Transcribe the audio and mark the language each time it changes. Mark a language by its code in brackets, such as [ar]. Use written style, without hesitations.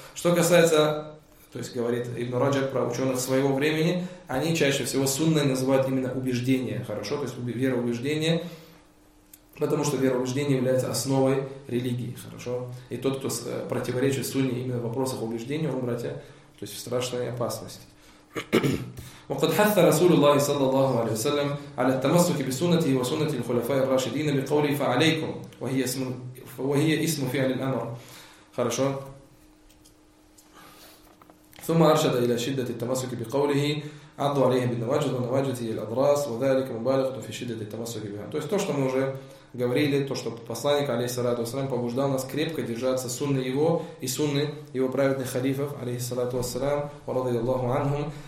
[ru] Что касается, то есть говорит Ибн Раджаб про ученых своего времени, они чаще всего сунной называют именно убеждение, хорошо, то есть вероубеждение, потому что вероубеждение является основой религии, хорошо. И тот, кто противоречит сунне именно в вопросах убеждения, он, братья, то есть в страшной опасности. [ar] وقد حث رسول الله صلى الله عليه وسلم على التمسك بسنته وسنة الخلفاء الراشدين بقوله فعليكم وهي اسم فعل الأمر. [ru] Хорошо. [ar] ثم أرشد إلى شدة التمسك بقوله عضوا عليه بالنواجذ ونواجذ هي الأضراس وذلك مبالغة في شدة التمسك بها. [ru] То есть то, что мы уже говорили, то, что посланник, алейхиссалату вассалям, побуждал нас крепко держаться сунны его и сунны его праведных халифов, алейхиссалату вассалям, ва радиаллаху анхум.